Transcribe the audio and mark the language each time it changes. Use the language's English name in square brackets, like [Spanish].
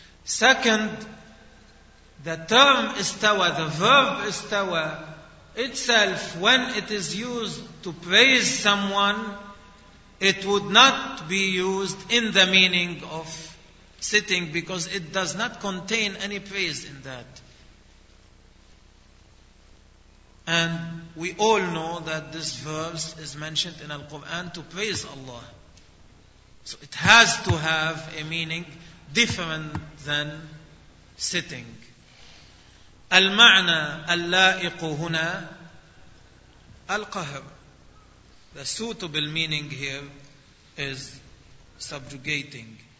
[English] Second, the term istawa, the verb istawa, itself, when it is used to praise someone, it would not be used in the meaning of sitting because it does not contain any praise in that. And we all know that this verse is mentioned in Al-Quran to praise Allah. So it has to have a meaning different than sitting. [Arabic] المعنى اللائق هنا القهر. [English] The suitable meaning here is subjugating.